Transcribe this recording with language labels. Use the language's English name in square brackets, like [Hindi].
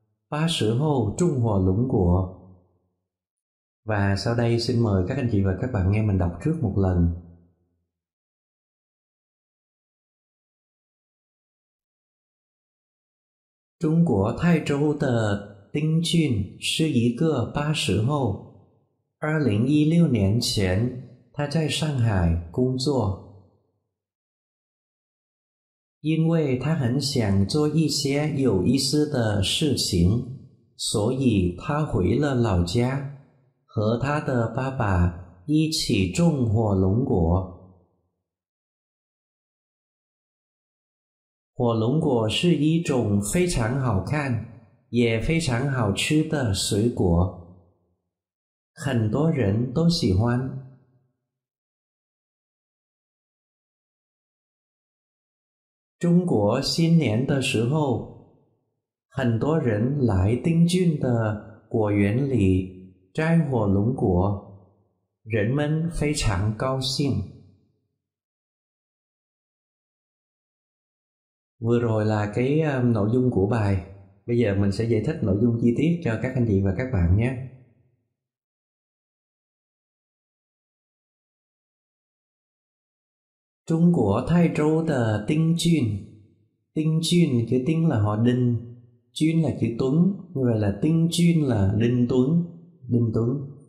[Vietnamese] Ba sử hô trung hồ lũng của. Và sau đây xin mời các anh chị và các bạn nghe mình đọc trước một lần. Trung Quốc Thái Châu tờ Tinh Chuyên sư yi cơ ba sử hô. [Chinese] 2016 年前他在上海工作，因为他很想做一些有意思的事情，所以他回了老家，和他的爸爸一起种火龙果。火龙果是一种非常好看，也非常好吃的水果，很多人都喜欢。中国新年的时候，很多人来丁俊的果园里摘火龙果，人们非常高兴。 [Vietnamese] Vừa rồi là cái nội dung của bài. Bây giờ mình sẽ giải thích nội dung chi tiết cho các anh chị và các bạn nhé. Trung Quốc Thái Châu tờ Tinh Chuyên. Tinh Chuyên, chữ Tinh là họ Đinh, Chuyên là chữ Tuấn, như vậy là Tinh Chuyên là Đinh Tuấn, Đinh Tuấn.